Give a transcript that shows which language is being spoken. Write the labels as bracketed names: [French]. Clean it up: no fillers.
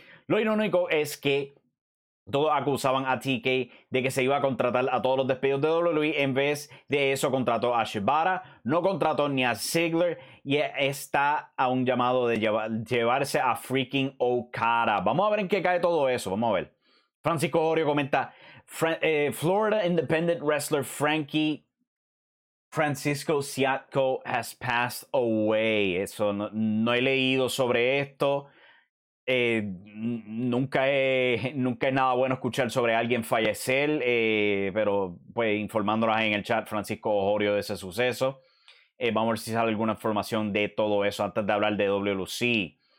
[Spanish] Lo irónico es que todos acusaban a TK de que se iba a contratar a todos los despedidos de WWE. En vez de eso, contrató a Shibata, no contrató ni a Ziggler y está a un llamado de llevarse a freaking Okada. Vamos a ver en qué cae todo eso. Vamos a ver. Francisco Jorio comenta, [English] Florida independent wrestler Frankie Francisco Siatko has passed away. [Spanish] Eso no he leído sobre esto. Nunca es nada bueno escuchar sobre alguien fallecer, pero pues informándonos en el chat, Francisco Osorio, de ese suceso. Vamos a ver si sale alguna información de todo eso antes de hablar de WLC.